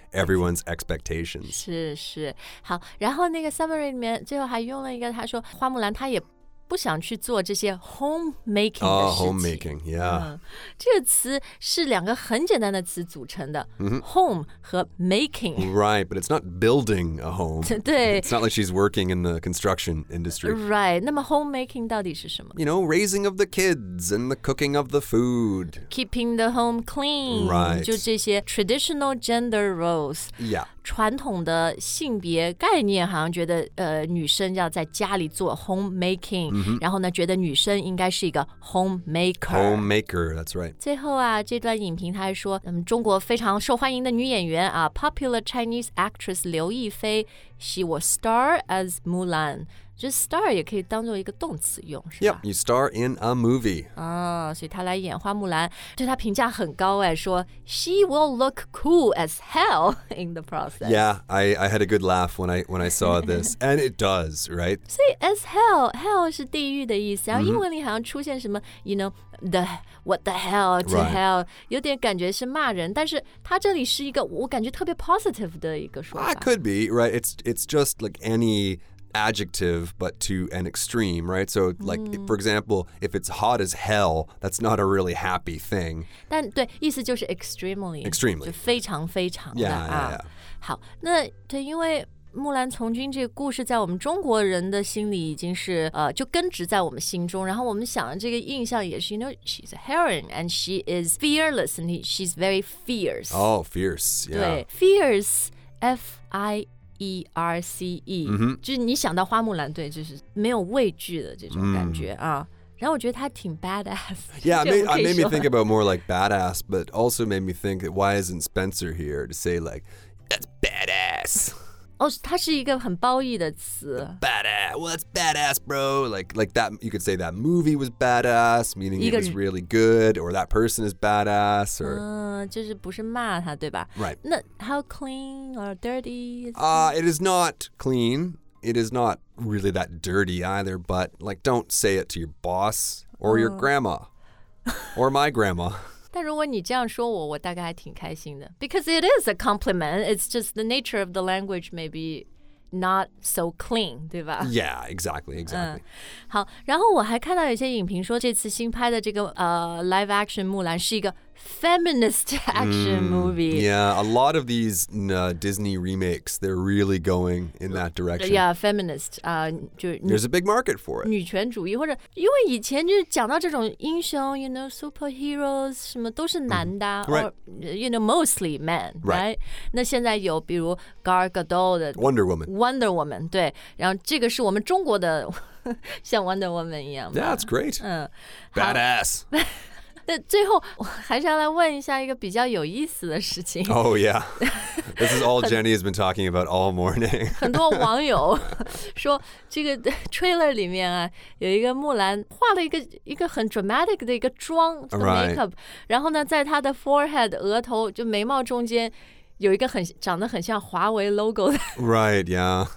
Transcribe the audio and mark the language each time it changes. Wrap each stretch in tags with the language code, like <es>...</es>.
<en>Everyone's expectations.</en> <zh>是是，好，然后那个 summary 里面最后还用了一个，他说花木兰她也不想去做这些 homemaking 的事情。</zh> <en>Homemaking, yeah.、</en> <zh>这个词是两个很简单的词组成的、home 和 making.</zh> <en>Right, but it's not building a home.</en> <zh>对。</zh> <en>It's not like she's working in the construction industry. Right,</en> <zh>那么 homemaking 到底是什么</zh> <en>You know, raising of the kids and the cooking of the food. Keeping the home clean. Right.</en> <zh>就这些 traditional gender roles.</zh> <en>Yeah.</en> <zh>传统的性别概念好像觉得、女生要在家里做 homemaking、然后呢觉得女生应该是一个 homemaker</zh> <en>that's right</en> <zh>最后啊这段影评他还说、中国非常受欢迎的女演员啊</zh> <en>popular Chinese actress</en> <zh>刘亦菲</zh> <en>she will star as Mulan</en> <zh>就 star 也可以当作一个动词用是吧</zh> <en>Yep, you star in a movie、</en> <zh>所以她来演花木兰对她评价很高说</zh> <en>She will look cool as hell in the process Yeah, I had a good laugh when I saw this And it does, right?</en> <zh>所以</zh> <en>as hell</en> <zh>Hell 是地狱的意思然后英文里好像出现什么</zh> <en>You know, the what the hell to、 right.</en> <zh>hell 有点感觉是骂人但是她这里是一个我感觉特别 positive 的一个说法</zh> <en>It could be, right? It's just like anyadjective but to an extreme right so like、for example if it's hot as hell that's not a really happy thing</en> <zh>但对意思就是 extremely 就非常非常的</zh> <en>yeah.</en> <zh>好那对因为木兰从军这个故事在我们中国人的心里已经是、就根植在我们心中然后我们想这个印象也是</zh> <en>you know she's a heroine and she is fearless and she's very fierce oh fierce yeah</en> <zh>对 fierce F-I-E-R-C-E、就是你想到花木兰队就是没有畏惧的这种感觉、然后我觉得她挺 badass</zh> <en>Yeah, it made me think about more like badass But also made me think that Why isn't Spencer here to say like That's badass</en> <zh>哦，它是一个很褒义的词</zh> <en>Badass, well that's badass bro like that, you could say that movie was badass Meaning it was really good Or that person is badass or...、</en> <zh>就是不是骂他对吧</zh> <en>Right 那 how clean or dirty is It is not clean It is not really that dirty either But like don't say it to your boss Or your grandma Or my grandma</en> <zh>但如果你这样说我我大概还挺开心的</zh> <en>Because it is a compliment It's just the nature of the language maybe not so clean</en> <zh>对吧</zh> <en>Yeah exactly、</en> <zh>好然后我还看到有些影评说这次新拍的这个、live action 木兰是一个feminist action movie.</zh> <en>Yeah, a lot of these Disney remakes, they're really going in that direction. Yeah, feminist. There's a big market for it.</en> <zh>女权主义或者因为以前就讲到这种英雄</zh> <en>you know, superheroes,</en> <zh>什么都是男的、</zh> <en>right. you know, mostly men, right?</en> <zh>那现在有比如 Gal Gadot 的</zh> <en>Wonder Woman,</en> <zh>对。然后这个是我们中国的像 Wonder Woman 一样。</zh> <en>Yeah, that's great.、Badass.</en> <zh>最后我还是要来问一下一个比较有意思的事情</zh> <en>Oh yeah This is all Jenny has been talking about all morning</en> <zh>很多网友说这个 trailer 里面啊有一个木兰画了一个很 dramatic 的一个妆 the makeup、</zh> <en>right.</en> <zh>然后呢在她的 forehead 额头就眉毛中间有一个很长得很像华为 logo 的</zh> <en>Right yeah</en>